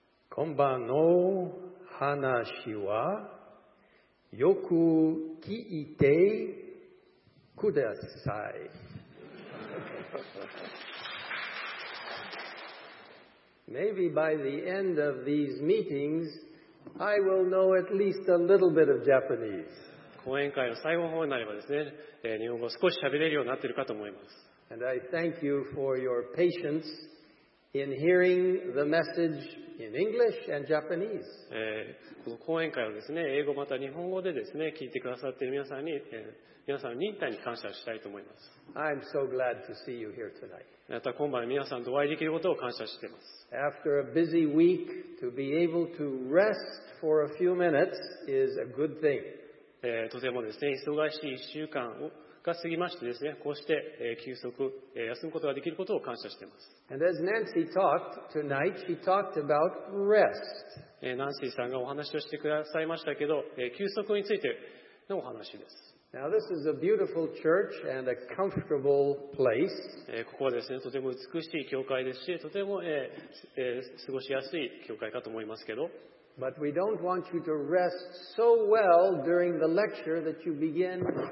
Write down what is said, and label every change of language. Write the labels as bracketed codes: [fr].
[ja] 今晩の話はよく聞いてください。 [en] Maybe by the end of these meetings, I will know at least a little bit of Japanese. [ja] 講演会の最後の方になればですね、日本語を少し喋れるようになっているかと思います。 [en] And I thank you for your patience in hearing the message. In English and Japanese. [ja] この講演会をですね、英語また日本語でですね、聞いてくださっている皆さんに、皆さんの忍耐に感謝したいと思います。 [en] I'm so glad to see you here tonight. [ja] また今晩皆さんとお会いできることを感謝しています。 [en] After a busy week, to be able to rest for a few minutes is a good thing. [ja] とてもですね、忙しい1週間を、が過ぎましてですね、こうして休息、休むことができることを感謝しています。 [en] And as Nancy talked tonight, she talked about rest. [ja] Nancy さんがお話をしてくださいましたけど、休息についてのお話です。 [en] Now this is a beautiful church and a comfortable place. [ja] ここはですね、とても美しい教会ですし、とても、過ごしやすい教会かと思いますけど。 [en] But we don't want you to rest so well during the lecture that you begin.